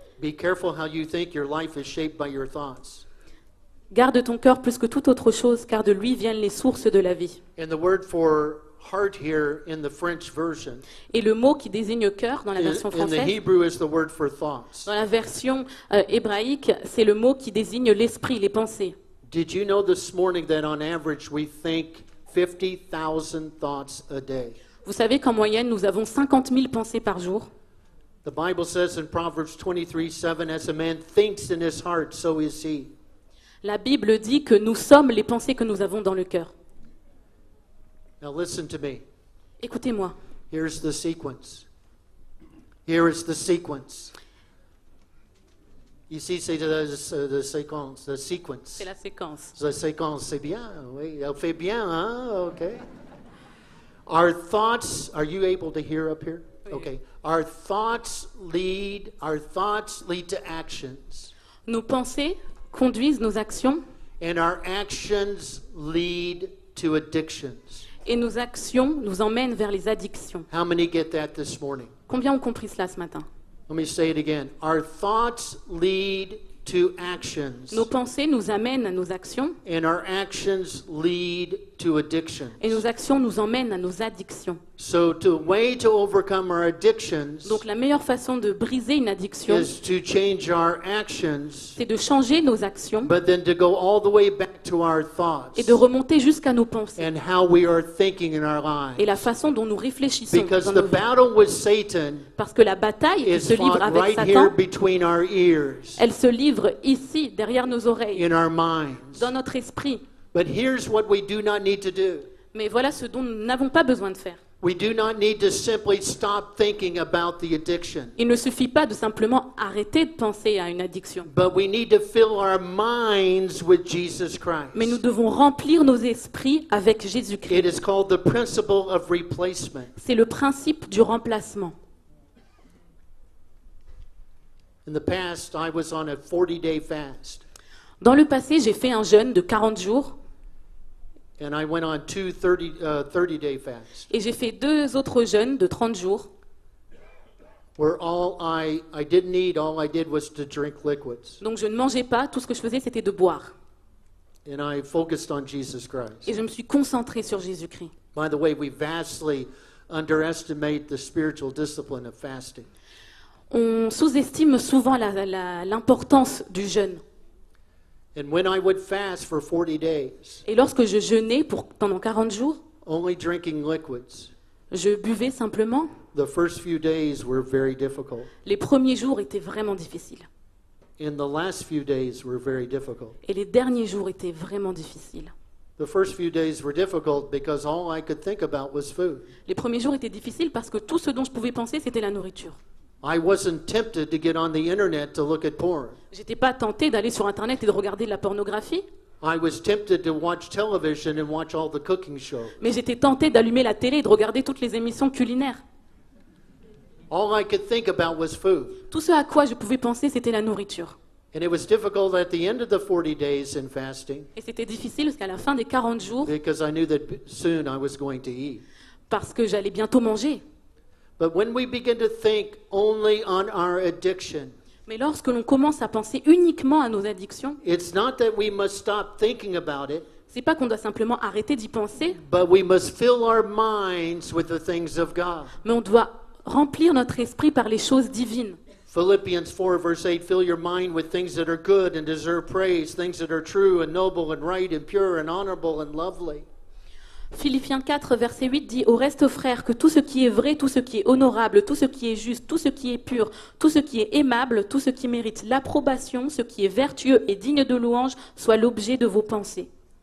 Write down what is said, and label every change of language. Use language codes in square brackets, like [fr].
[en] Be careful how you think, your life is shaped by your thoughts. [fr] Garde ton cœur plus que toute autre chose, car de lui viennent les sources de la vie. [en] And the word for heart here in the French version. [fr] Et le mot qui désigne cœur dans la version française. [en] In the Hebrew is the word for thoughts. [fr] Dans la version hébraïque, c'est le mot qui désigne l'esprit, les pensées. [en] Did you know this morning that on average we think 50,000 thoughts a day. [fr] Vous savez qu'en moyenne, nous avons 50 000 pensées par jour. [en] The Bible says in Proverbs 23:7, as a man thinks in his heart, so is he. [fr] La Bible dit que nous sommes les pensées que nous avons dans le cœur. [en] Now listen to me. [fr] Écoutez-moi. [en] Here's the sequence. Here is the sequence. [fr] Ici, c'est la séquence, la sequence. C'est la séquence. La séquence, c'est bien, oui. Elle fait bien, hein? OK. [en] Our thoughts, are you able to hear up here? [fr] Oui. OK. [en] Our thoughts lead to actions. [fr] Nos pensées conduisent nos actions. [en] And our actions lead to addictions. [fr] Et nos actions nous emmènent vers les addictions. [en] How many get that this morning? [fr] Combien ont compris cela ce matin? [en] Let me say it again. Our thoughts lead to actions. [fr] Nos pensées nous amènent à nos actions. [en] And our actions lead to addictions. [fr] Et nos actions nous emmènent à nos addictions. [en] So the way to overcome our addictions. [fr] Donc la meilleure façon de briser une addiction. [en] Is to change our actions. [fr] C'est de changer nos actions. [en] But then to go all the way back to our thoughts. [fr] Et de remonter jusqu'à nos pensées. [en] And how we are thinking in our lives. [fr] Et la façon dont nous réfléchissons. [en] Because [fr] dans nos [en] battle [fr] vies. [en] With Satan. [fr] Parce que la bataille qui se livre avec [en] right [fr] Satan. [en] Here between our ears. [fr] Elle se livre ici derrière nos oreilles. [en] In our minds. [fr] Dans notre esprit. [en] But here's what we do not need to do. [fr] Mais voilà ce dont nous n'avons pas besoin de faire. [en] We do not need to simply stop thinking about the addiction. [fr] Il ne suffit pas de simplement arrêter de penser à une addiction. [en] But we need to fill our minds with Jesus Christ. [fr] Mais nous devons remplir nos esprits avec Jésus-Christ. [en] It is called the principle of replacement. [fr] C'est le principe du remplacement. [en] In the past, I was on a 40-day fast. [fr] Dans le passé, j'ai fait un jeûne de 40 jours. [en] And I went on two 30-day fasts. [fr] Et j'ai fait deux autres jeûnes de 30 jours. [en] Where I didn't eat, all I did was to drink liquids. [fr] Donc je ne mangeais pas, tout ce que je faisais c'était de boire. [en] And I focused on Jesus Christ. [fr] Et je me suis concentré sur Jésus-Christ. [en] By the way, we vastly underestimate the spiritual discipline of fasting. [fr] On sous-estime souvent l'importance du jeûne. [en] And when I would fast for 40 days, [fr] et lorsque je jeûnais pendant 40 jours, [en] only drinking liquids, [fr] je buvais simplement. [en] The first few days were very difficult. [fr] Les premiers jours étaient vraiment difficiles. [en] And the last few days were very difficult. [fr] Et les derniers jours étaient vraiment difficiles. [en] The first few days were difficult because all I could think about was food. [fr] Les premiers jours étaient difficiles parce que tout ce dont je pouvais penser, c'était la nourriture. [en] I wasn't tempted to get on the internet to look at porn. [fr] J'étais pas tenté d'aller sur internet et de regarder de la pornographie. [en] I was tempted to watch television and watch all the cooking shows. [fr] Mais j'étais tenté d'allumer la télé et de regarder toutes les émissions culinaires. [en] All I could think about was food. [fr] Tout ce à quoi je pouvais penser, c'était la nourriture. [en] And it was difficult at the end of the 40 days in fasting. [fr] Et c'était difficile parce qu'à la fin des 40 jours. [en] Because I knew that soon I was going to eat. [fr] Parce que j'allais bientôt manger. [en] But when we begin to think only on our addiction, [fr] mais lorsque l'on commence à penser uniquement à nos addictions, [en] it's not that we must stop thinking about it, [fr] c'est pas qu'on doit simplement arrêter d'y penser, [en] but we must fill our minds with the things of God. [fr] Mais on doit remplir notre esprit par les choses divines. [en] Philippians 4 verse 8, fill your mind with things that are good and deserve praise, things that are true and noble and right and pure and honorable and lovely. [fr] Philippiens 4, verset 8 dit « Au reste, frères, que tout ce qui est vrai, tout ce qui est honorable, tout ce qui est juste, tout ce qui est pur, tout ce qui est aimable, tout ce qui mérite l'approbation, ce qui est vertueux et digne de louange, soit l'objet de vos pensées. »